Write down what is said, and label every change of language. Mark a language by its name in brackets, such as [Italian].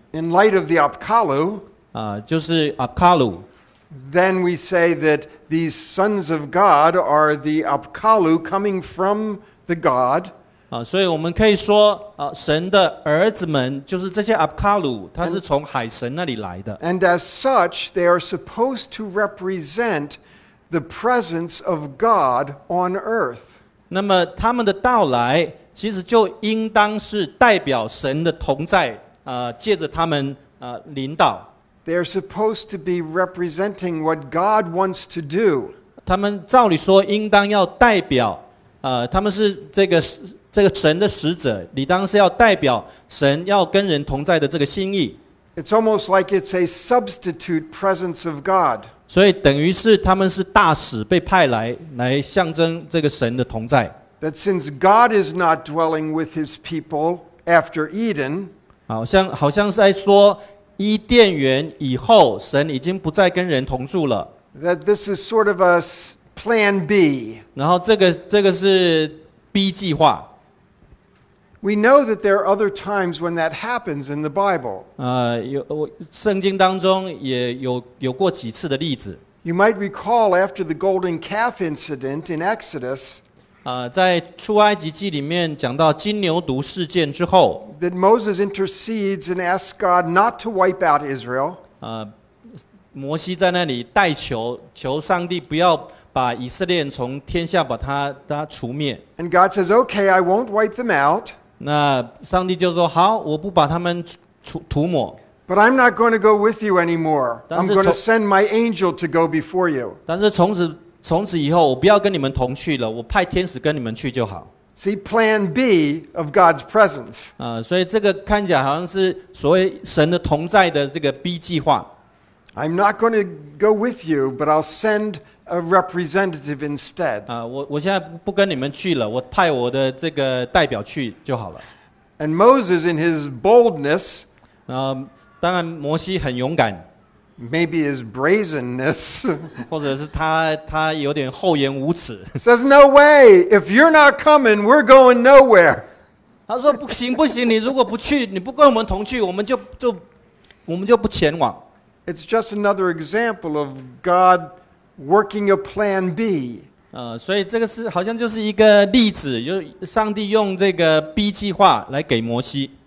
[English] In light of the Apkallu, [Chinese] 就是 Apkallu, [English] then we say that these sons of God are the Apkallu coming from the God. [Chinese] 所以我们可以说，神的儿子们就是这些 Apkallu, 他是从海神那里来的。 [English] And as such, they are supposed to represent the presence of God on earth. [Chinese] 那么他们的到来其实就应当是代表神的同在。借着他们领导。 [English] They are supposed to be representing what God wants to do. [Chinese] 他们照理说应当要代表他们是这个神的使者，理当是要代表神要跟人同在的这个心意。 [English] It's almost like it's a substitute presence of God. [Chinese] 所以等于是他们是大使被派来象征这个神的同在。 [English] That since God is not dwelling with his people after Eden, [Chinese] 好像是在说伊甸园以后神已经不再跟人同住了。 [English] That this is sort of a plan B. [Chinese] 然后这个是 B 计划。 [English] We know that there are other times when that happens in the Bible. [Chinese] 圣经当中也有过几次的例子。 [English] You might recall after the golden calf incident in Exodus, [Chinese] 在出埃及记里面讲到金牛犊事件之后 [English] ，That Moses intercedes and asks God not to wipe out Israel。 [Chinese] 摩西在那里代求上帝不要把以色列从天下把他除灭。 [English] And God says, "Okay, I won't wipe them out." [Chinese] 那上帝就说好，我不把他们涂抹。 [English] But I'm not going to go with you anymore. I'm going to send my angel to go before you. [Chinese] 但是从此以后，我不要跟你们同去了，我派天使跟你们去就好。 [English] See plan B of God's presence. [Chinese] 所以这个看起来好像是所谓神的同在的这个 B 计划。 [English] I'm not going to go with you, but I'll send a representative instead. [Chinese] 我现在不跟你们去了，我派我的这个代表去就好了。 [English] And Moses, in his boldness, [Chinese] 当然摩西很勇敢。 [English] Maybe his brazenness. [Chinese] 或者是他有点厚颜无耻。 [English] Says no way. If you're not coming, we're going nowhere. [Chinese] 他说不行不行，你如果不去，你不跟我们同去，我们就不前往。 [English] It's just another example of God working a plan B. [Chinese] 所以这个是好像就是一个例子，就上帝用这个 B 计划来给摩西。